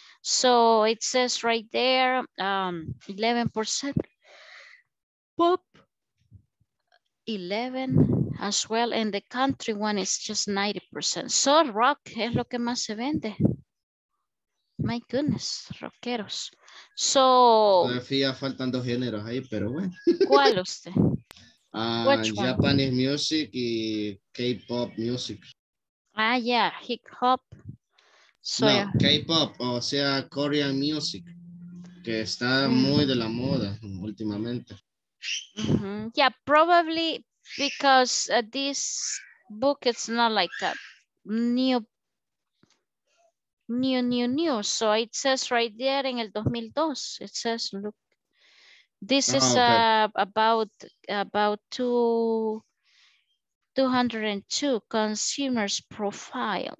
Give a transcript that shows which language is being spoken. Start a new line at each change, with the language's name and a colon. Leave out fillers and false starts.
English: So it says right there, 11% pop, 11 as well, and the country one is just 90%.
Spanish: So rock es lo que más se vende.
English: My goodness, rockeros. So.
Spanish: Todavía faltan dos géneros ahí, pero bueno. ¿Cuál usted?
English: Japanese music y K-pop music. Ah, yeah, hip-hop.
Spanish: So, no, K-pop, o sea,
English: Korean music,
Spanish: que está muy de la moda últimamente. Mm-hmm.
English: Yeah, probably because this book is not like a new. So it says right there in el 2002, it says, look. This is about 202 consumers profile.